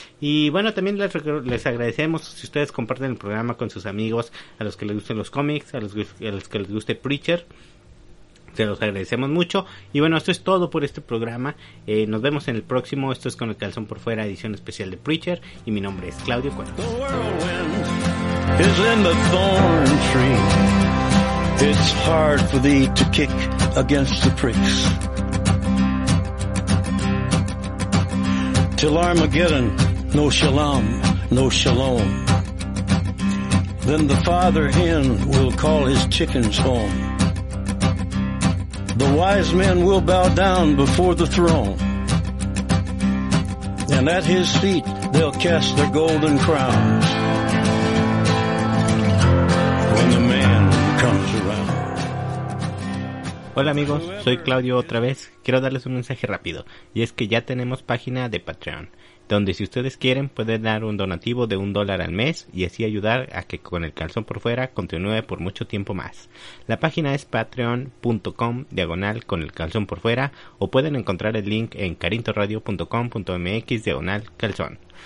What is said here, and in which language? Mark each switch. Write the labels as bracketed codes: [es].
[es] Y bueno, también les agradecemos si ustedes comparten el programa con sus amigos, a los que les gusten los cómics, a los que les guste Preacher. se los agradecemos mucho. Y bueno, esto es todo por este programa. Nos vemos en el próximo. Esto es Con el Calzón por Fuera, edición especial de Preacher. Y mi nombre es Claudio Cuervo. [en] The whirlwind is in the thorn tree. It's hard for thee to kick against the pricks. Till Armageddon, no shalom, no shalom. Then the father hen will call his chickens home. The wise men will bow down before the throne. And at his feet they'll cast their golden crowns. When the man comes around. [es] Hola amigos, soy Claudio otra vez. Quiero darles un mensaje rápido. Y es que ya tenemos página de Patreon, donde si ustedes quieren pueden dar un donativo de $1 al mes y así ayudar a que Con el Calzón por Fuera continúe por mucho tiempo más. La página es patreon.com/conelcalzonporfuera o pueden encontrar el link en carintoradio.com.mx/calzón.